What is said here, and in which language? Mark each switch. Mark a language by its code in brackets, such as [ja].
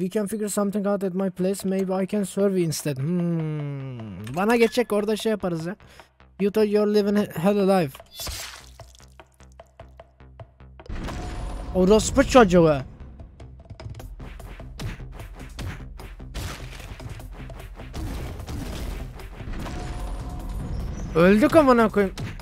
[en] We can figure something out at my place. Maybe I can serve you instead. [tr] Bana geçecek, orada şey yaparız ya. [en] You thought you're living hell alive. [tr] Orospu çocuğu. Öldük amına koyayım.